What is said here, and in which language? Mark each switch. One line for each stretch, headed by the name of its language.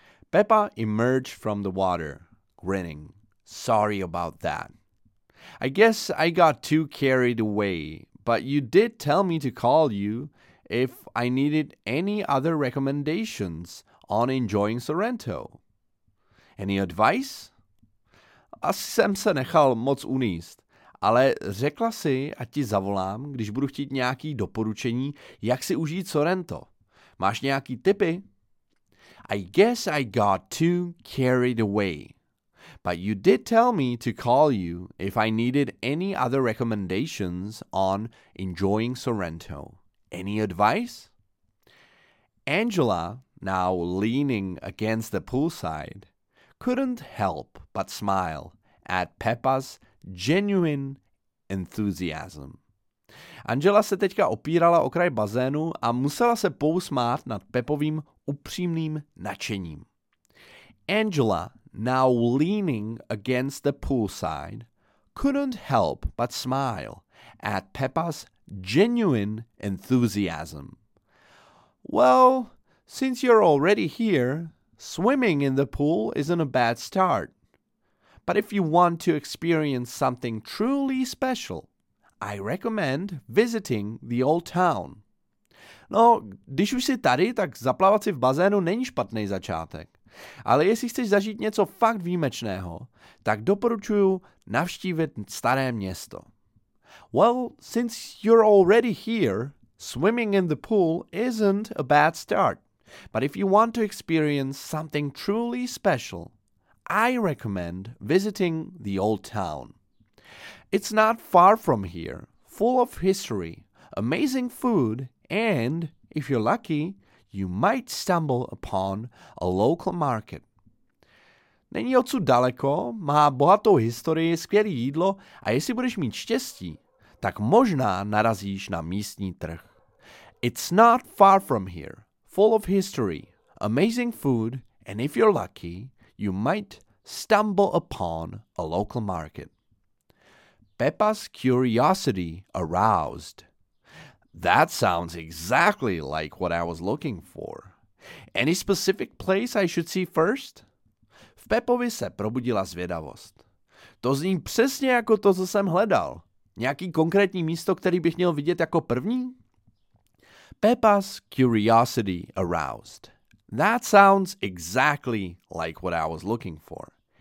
English: Peppa emerged from the water, grinning. Sorry about that. I guess I got too carried away, but you did tell me to call you if I needed any other recommendations on enjoying Sorrento. Any advice?
Czech: Asi jsem se nechal moc uníst, ale řekla si, ať ti zavolám, když budu chtít nějaké doporučení, jak si užít Sorrento. Máš nějaké tipy?
English: I guess I got too carried away. But you did tell me to call you if I needed any other recommendations on enjoying Sorrento. Any advice? Angela, now leaning against the poolside, couldn't help but smile at Peppa's genuine enthusiasm.
Czech: Angela se teďka opírala o kraj bazénu a musela se pousmát nad Peppovým upřímným nadšením.
English: Angela, now leaning against the poolside, couldn't help but smile at Peppa's genuine enthusiasm. Well, since you're already here, swimming in the pool isn't a bad start. But if you want to experience something truly special, I recommend visiting the old town.
Czech: No, když už jsi tady, tak zaplavat si v bazénu není špatný začátek. Ale jestli chceš zažít něco fakt výjimečného, tak doporučuji navštívit staré město.
English: Well, since you're already here, swimming in the pool isn't a bad start. But if you want to experience something truly special, I recommend visiting the old town. It's not far from here, full of history, amazing food, and, if you're lucky, you might stumble upon a local market.
Czech: Není odsud daleko, má bohatou historii, skvělé jídlo a jestli budeš mít štěstí, tak možná narazíš na místní trh.
English: It's not far from here, full of history, amazing food, and if you're lucky, you might stumble upon a local market. Pepa's curiosity aroused. That sounds exactly like what I was looking for. Any specific place I should see first?
Czech: V Pepovi se probudila zvědavost. To zní přesně jako to, co jsem hledal. Nějaký konkrétní místo, který bych měl vidět jako první?
English: Pepa's curiosity aroused. That sounds exactly like what I was looking for.